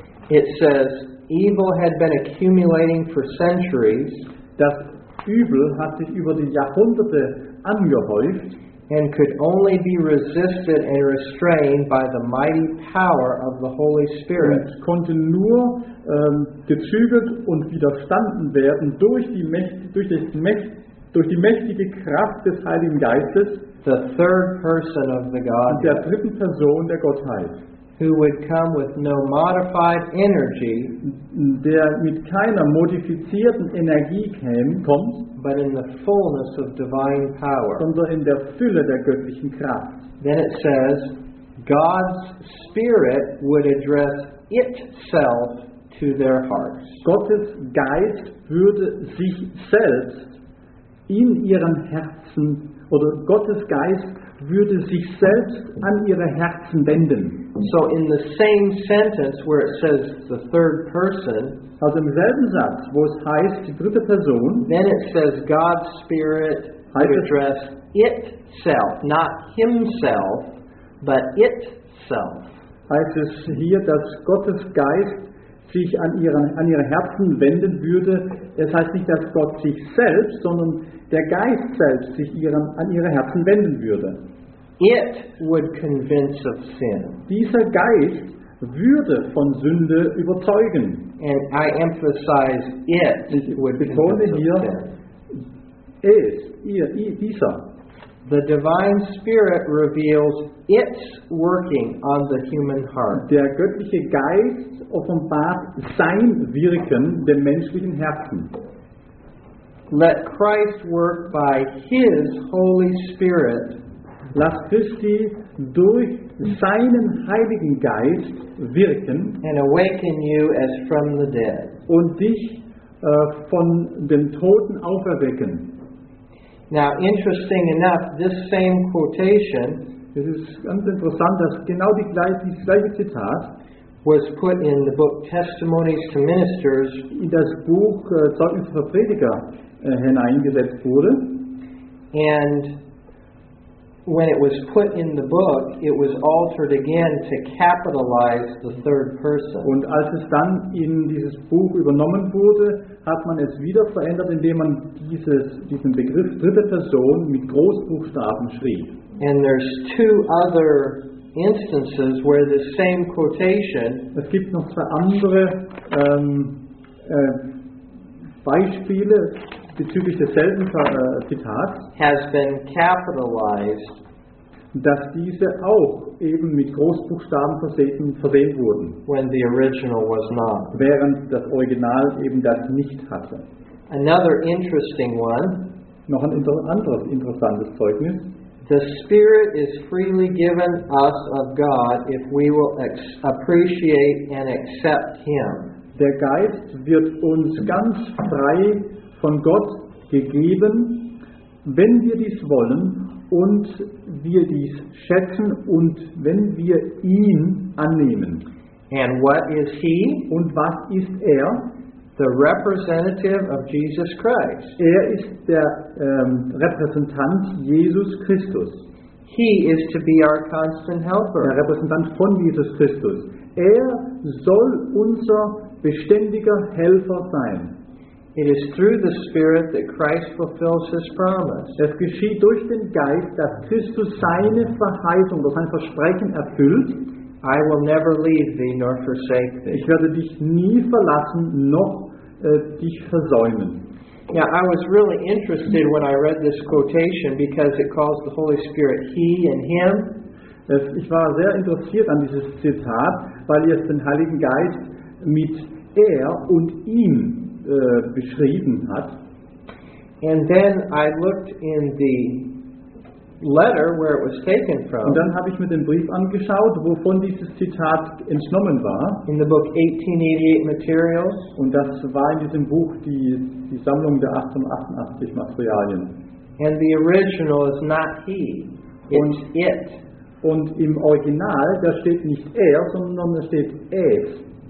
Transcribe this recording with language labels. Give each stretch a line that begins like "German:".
English: It says, evil had been accumulating for centuries.
German: Das Übel hat sich über die Jahrhunderte angehäuft.
English: And could only be resisted and restrained by the mighty power of the Holy Spirit.
German: Und konnte nur gezügelt und widerstanden werden durch die mächtige Kraft des Heiligen Geistes.
English: The third person of the Godhead.
German: Und der dritten Person der Gottheit.
English: Who would come with no modified energy,
German: der mit keiner modifizierten Energie kommt,
English: but in the fullness of divine power,
German: sondern in der Fülle der göttlichen Kraft.
English: Then it says, God's Spirit would address itself to their hearts.
German: Gottes Geist würde sich selbst in ihren Herzen, oder Gottes Geist würde sich selbst an ihre Herzen wenden.
English: So in the same sentence where it says the third person,
German: also im selben Satz, wo es heißt die dritte Person,
English: then it says God's Spirit would address itself, not himself, but itself.
German: Heißt es hier, dass Gottes Geist sich an ihre Herzen wenden würde. Das heißt nicht, dass Gott sich selbst, sondern der Geist selbst sich an ihre Herzen wenden würde.
English: It would convince of sin.
German: Dieser Geist würde von Sünde überzeugen.
English: And I emphasize it would
German: betone hier, es, ihr, dieser.
English: The divine spirit reveals its working on the human heart.
German: Der göttliche Geist offenbart sein Wirken dem menschlichen Herzen.
English: Let Christ work by his Holy Spirit.
German: Lass Christi durch seinen Heiligen Geist wirken
English: and awaken you as from the dead.
German: Und dich von den Toten auferwecken.
English: Now, interesting enough, this same quotation,
German: es ist ganz interessant, dass genau dieses gleiche Zitat
English: was put in the book Testimonies to Ministers,
German: in das Buch Zeugnis für Prediger hineingesetzt wurde.
English: And when it was put in the book, it was altered again to capitalize the third person.
German: Und als es dann in dieses Buch übernommen wurde, hat man es wieder verändert, indem man diesen Begriff dritte Person mit Großbuchstaben schrieb.
English: And there's two other instances where the same quotation.
German: Es gibt noch zwei andere Beispiele bezüglich desselben Zitats,
English: has been capitalized,
German: dass diese auch eben mit Großbuchstaben versehen wurden,
English: when the original was not,
German: während das Original eben das nicht hatte.
English: Another interesting one,
German: noch ein anderes interessantes Zeugnis.
English: The Spirit is freely given us of God if we will appreciate and accept Him.
German: Der Geist wird uns ganz frei von Gott gegeben, wenn wir dies wollen und wir dies schätzen und wenn wir ihn annehmen.
English: And what is he?
German: Und was ist er?
English: The representative of Jesus Christ.
German: Er ist der Repräsentant Jesus Christus.
English: He is to be our constant helper.
German: Der Repräsentant von Jesus Christus. Er soll unser beständiger Helfer sein.
English: It is through the Spirit that Christ fulfills his promise.
German: Es geschieht durch den Geist, dass Christus seine Verheißung, sein Versprechen erfüllt.
English: I will never leave thee nor forsake thee.
German: Ich werde dich nie verlassen, noch dich versäumen.
English: Now, I was really interested when I read this quotation because it calls the Holy Spirit He and Him.
German: Ich war sehr interessiert an dieses Zitat, weil es den Heiligen Geist mit Er und Ihm beschrieben hat.
English: And then I looked in the letter where it was taken from.
German: Und dann habe ich mir den Brief angeschaut, wovon dieses Zitat entnommen war.
English: In the book 1888 Materials.
German: Und das war in diesem Buch die Sammlung der 1888 Materialien.
English: And the original is not he, it's it.
German: Und im Original, da steht nicht er, sondern da steht es.